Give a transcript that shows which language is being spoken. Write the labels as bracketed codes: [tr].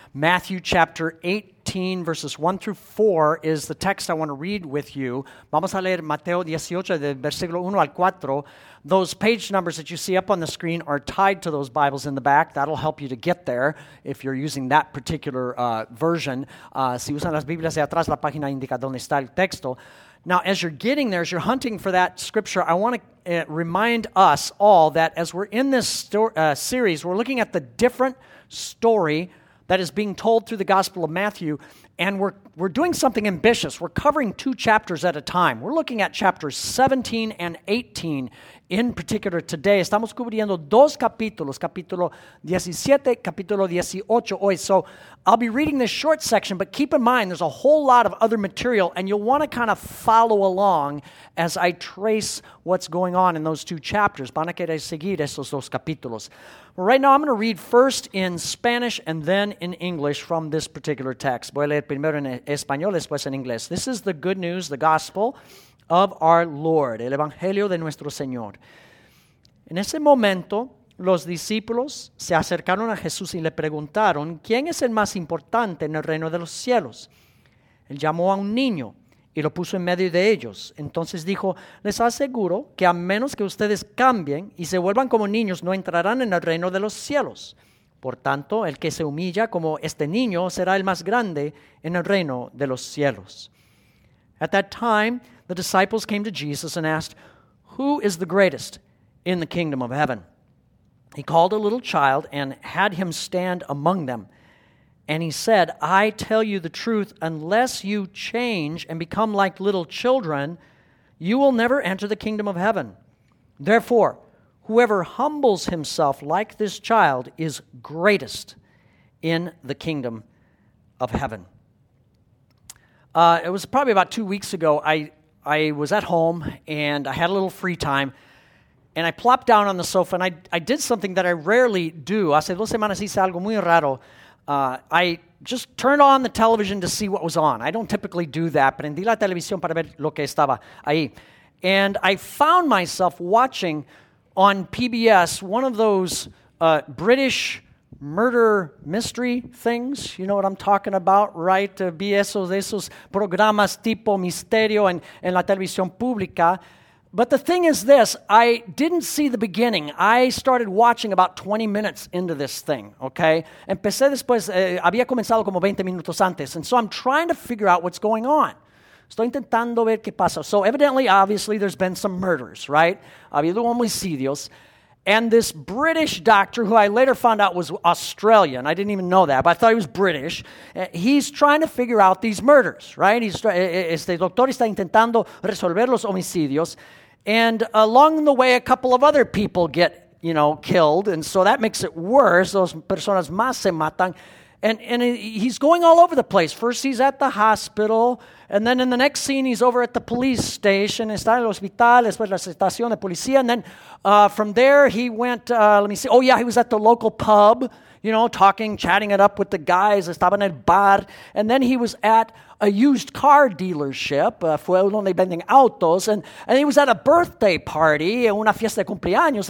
[en] Matthew chapter 18, verses 1 through 4 is the text I want to read with you. [es] Vamos a leer Mateo 18, del versículo 1 al 4. [en] Those page numbers that you see up on the screen are tied to those Bibles in the back. That'll help you to get there if you're using that particular version. [es] Si usan las Biblias de atrás, la página indica dónde está el texto. [en] Now, as you're getting there, as you're hunting for that scripture, I want to remind us all that as we're in this series, we're looking at the different story that is being told through the Gospel of Matthew, and we're doing something ambitious. We're covering two chapters at a time. We're looking at chapters 17 and 18 in particular today. [es] Estamos cubriendo dos capítulos, capítulo 17, capítulo 18 hoy. [en] So I'll be reading this short section, but keep in mind there's a whole lot of other material, and you'll want to kind of follow along as I trace what's going on in those two chapters. [es] Van a querer seguir esos dos capítulos. [en] Right now, I'm going to read first in Spanish and then in English from this particular text. [es] Voy a leer primero en español, después en inglés. [en] This is the good news, the gospel of our Lord, [es] el Evangelio de nuestro Señor. En ese momento, los discípulos se acercaron a Jesús y le preguntaron, ¿quién es el más importante en el reino de los cielos? Él llamó a un niño y lo puso en medio de ellos. Entonces dijo, les aseguro que a menos que ustedes cambien y se vuelvan como niños, no entrarán en el reino de los cielos. Por tanto, el que se humilla como este niño será el más grande en el reino de los cielos. [en] At that time, the disciples came to Jesus and asked, who is the greatest in the kingdom of heaven? He called a little child and had him stand among them. And he said, I tell you the truth, unless you change and become like little children, you will never enter the kingdom of heaven. Therefore, whoever humbles himself like this child is greatest in the kingdom of heaven. It was probably about 2 weeks ago, I was at home and I had a little free time. And I plopped down on the sofa and I did something that I rarely do. [es] Hace dos semanas hice algo muy raro. [en] I just turned on the television to see what was on. I don't typically do that. [es] Prendí la televisión para ver lo que estaba ahí. [en] And I found myself watching on PBS one of those British murder mystery things. You know what I'm talking about, right? [es] Vi esos programas tipo misterio en la televisión pública. [en] But the thing is this, I didn't see the beginning. I started watching about 20 minutes into this thing, okay? [es] Empecé después, había comenzado como 20 minutos antes. [en] And so I'm trying to figure out what's going on. [es] Estoy intentando ver qué pasa. [en] So evidently, obviously, there's been some murders, right? [es] Habido homicidios. [en] And this British doctor, who I later found out was Australian, I didn't even know that, but I thought he was British, he's trying to figure out these murders, right? [es] Este doctor está intentando resolver los homicidios. [en] And along the way, a couple of other people get, you know, killed. And so that makes it worse. Those [es] personas más se matan. [en] And he's going all over the place. First, he's at the hospital. And then in the next scene, he's over at the police station. [es] Está en el hospital, después la estación de policía. [en] And then from there, he went, let me see. Oh, yeah, he was at the local pub, you know, talking, chatting it up with the guys. [es] Estaba en el bar. [en] And then he was at a used car dealership. [es] Fue donde venden autos. [en] And he was at a birthday party, [es] una fiesta de cumpleaños.